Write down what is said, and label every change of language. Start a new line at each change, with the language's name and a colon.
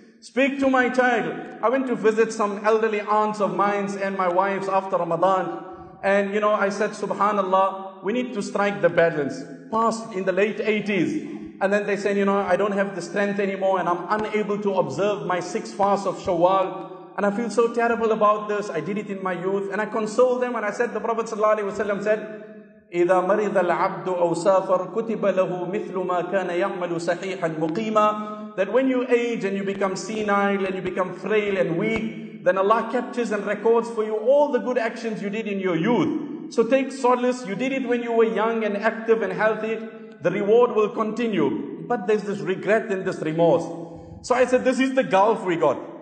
English: Speak to my child. I went to visit some elderly aunts of mine and my wife's after Ramadan. And you know, I said, Subhanallah, we need to strike the balance. Past in the late 80s. And then they said, you know, I don't have the strength anymore and I'm unable to observe my 6 fasts of Shawwal. And I feel so terrible about this. I did it in my youth. And I consoled them and I said, the Prophet ﷺ said,
Arabic: إِذَا مَرِضَ الْعَبْدُ أَوْ سَافَرْ كُتِبَ لَهُ مِثْلُ مَا كَانَ يَعْمَلُ صَحِيحًا مُقِيمًا.
English: That when you age and you become senile and you become frail and weak, then Allah captures and records for you all the good actions you did in your youth. So take solace. You did it when you were young and active and healthy. The reward will continue. But there's this regret and this remorse. So I said, this is the gulf we got.